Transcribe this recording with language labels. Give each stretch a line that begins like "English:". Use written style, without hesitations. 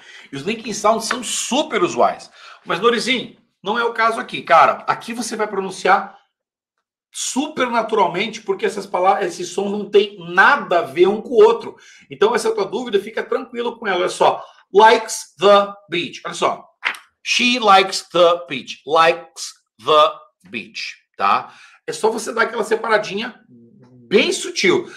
Portuguese: E os linking sounds são super usuais. Mas, Norizinho, não é o caso aqui, cara. Aqui você vai pronunciar super naturalmente porque essas palavras, esse som não tem nada a ver um com o outro. Então, essa é a tua dúvida, fica tranquilo com ela. Olha só,
English: likes the beach.
Portuguese: Olha só,
English: she likes the beach. Likes the beach. Tá?
Portuguese: É só você dar aquela separadinha bem sutil.